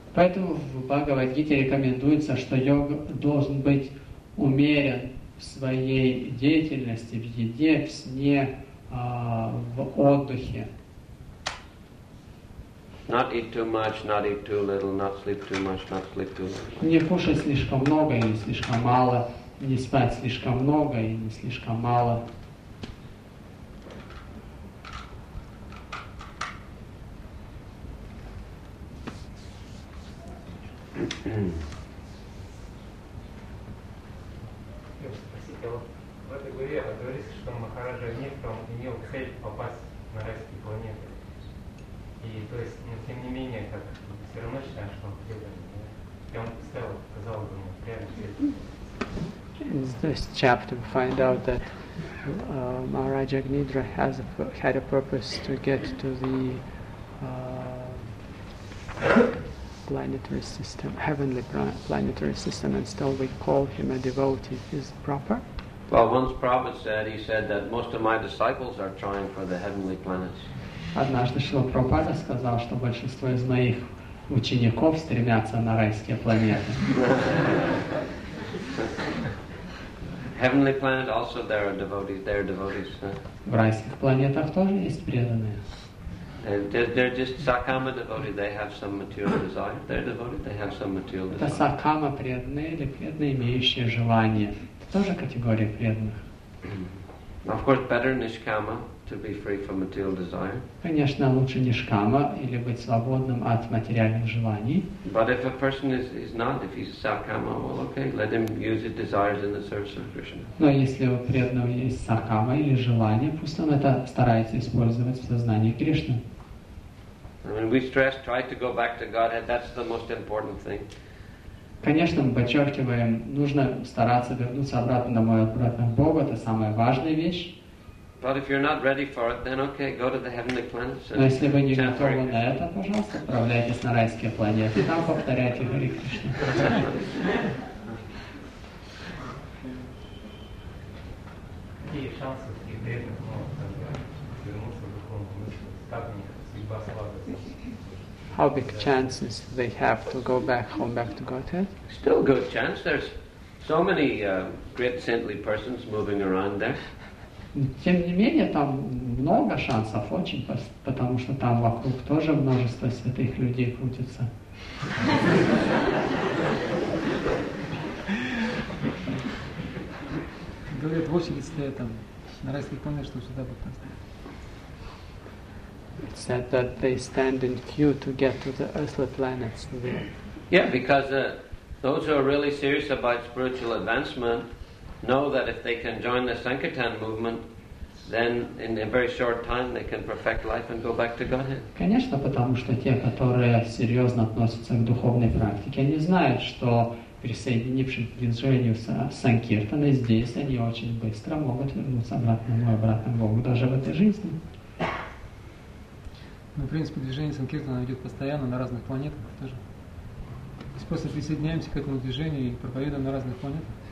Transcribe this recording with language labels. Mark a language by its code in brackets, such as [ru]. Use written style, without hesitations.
[ru] Поэтому в Бхагавад-гите рекомендуется, что йога должен быть умерен в своей деятельности, в еде, в сне, в отдыхе. [en] Not eat too much, not eat too little, not sleep too much, not sleep too little. [ru] Не кушать слишком много или слишком мало, не спать слишком много и не слишком мало. Спасибо. Вот в этой главе говорится, что Махараджа Нектон имел цель попасть на райские планеты. И то есть, но тем не менее, как все равно считаем, что он предан. И он поставил, сказал ему, реально цель. [en] In this chapter we find out that Maharaj Agnidra has had a purpose to get to the planetary system, heavenly planetary system, and still we call him a devotee. Is it proper? Well, once Prabhupada said, he said that most of my disciples are trying for the heavenly planets. [ru] Однажды Шрила Прабхупада сказал, что большинство из моих учеников стремятся на райские планеты. [en] Heavenly planet also there are devotees. There are devotees. [ru] В райских планетах тоже есть преданные. [en] They're just Sakama devotees. They have some material desire. They're devotees. They have some material desire. [ru] Это Сакама преданные или преданные, имеющие желание. Это тоже категория преданных. [en] Of course, better Nishkama to be free from material desire. [ru] Конечно, лучше Нишкама или быть свободным от материальных желаний. [en] But if a person is not, if he's Sakama, well, okay, let him use his desires in the service of Krishna. [ru] Но если у преданного есть Сакама или желание, пусть он это старается использовать в сознании Кришны. [en] I mean, we stress, try to go back to Godhead. That's the most important thing. [ru] Конечно, мы подчеркиваем, нужно стараться вернуться обратно домой, обратно к Богу, это самая важная вещь. [en] But if you're not ready for it, then okay, go to the heavenly planets. [ru] Но если вы не готовы на это, пожалуйста, отправляйтесь на райские планеты, там повторяйте Хари Кришна. Какие шансы таких бедных могут вернуться в духовном смысле? Как у них судьба складывается? [en] How big chances they have to go back home, back to Godhead? Still good chance. There's so many great saintly persons moving around there. [ru] Тем не менее, там много шансов, очень, потому что там вокруг тоже множество святых людей крутится. Говорят, в очередь стоят там, на райских планах, что сюда будут нас. [en] It said that they stand in queue to get to the earthly planets. Yeah, because those who are really serious about spiritual advancement know that if they can join the Sankirtan movement, then in a very short time they can perfect life and go back to Godhead. [ru] Конечно, потому что те, которые серьезно относятся к духовной практике, они знают, что присоединившись к движению Санкиртаны здесь, они очень быстро могут вернуться обратно, мой обратно к Богу, даже в этой жизни. Ну, в принципе, движение Санкиртана идет постоянно на разных планетах тоже. То есть просто присоединяемся к этому движению и проповедуем на разных планетах.